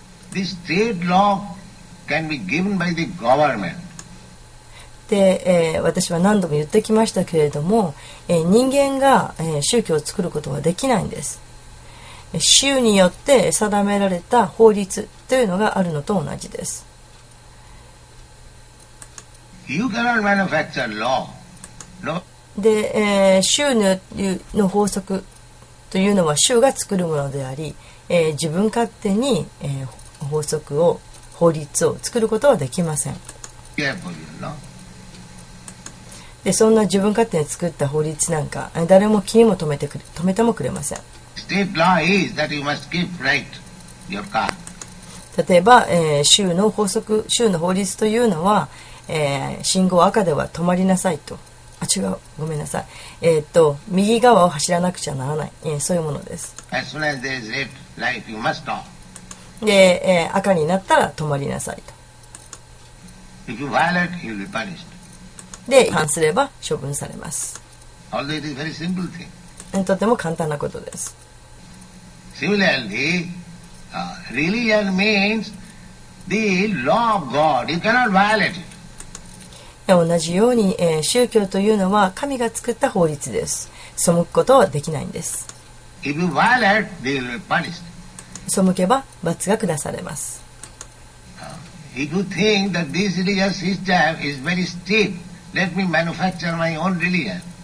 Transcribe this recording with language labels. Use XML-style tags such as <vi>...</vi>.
<en>This state law can be given by the government.</en> <ja>で、私は何度も言ってきましたけれども、人間が、宗教を作ることはできないんです。州によって定められた法律というのがあるのと同じです。</ja> <en>You cannot manufacture law. No.</en> <ja>で、州の法則というのは州が作るものであり、自分勝手に、法則を法律を作ることはできません。でそんな自分勝手に作った法律なんか誰も気にも止めてもくれません。例えば、州の法則、州の法律というのは、信号赤では止まりなさいと、あ違うごめんなさい、右側を走らなくちゃならない、そういうものです。</ja> <en>As soon as there is red light, you must stop.</en> <ja>で、赤になったら止まりなさいと。</ja> <en>If you violate, you'll be punished.</en> <ja>で違反すれば処分されます。</ja> <en>Although it is very simple thing.</en> <ja>とても簡単なことです。</ja> <en>Similarly, religion means the law of God. You cannot violate it.</en> <ja>同じように、宗教というのは神が作った法律です。背くことはできないんです。</ja> <en>If you violate, they will be punished.</en> <ja>背けば罰が下されます。</ja> <en>If you think that this religious system is very steepLet me manufacture my own religion.</en>